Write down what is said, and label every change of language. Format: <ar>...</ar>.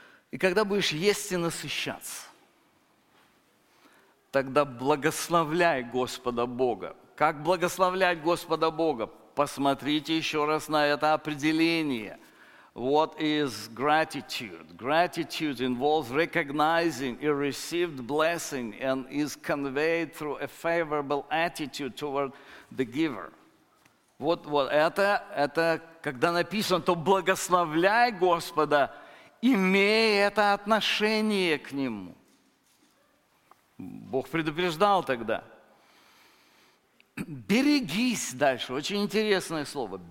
<ru>«И когда будешь есть и насыщаться, тогда благословляй Господа Бога». Как благословлять Господа Бога? Посмотрите еще раз на это определение.</ru> <en>What is gratitude? Gratitude involves recognizing a received blessing and is conveyed through a favorable attitude toward the giver.</en> <ru>Вот это когда написано, то благословляй Господа, имея это отношение к Нему. Бог предупреждал тогда. Берегись дальше, очень интересное слово.</ru>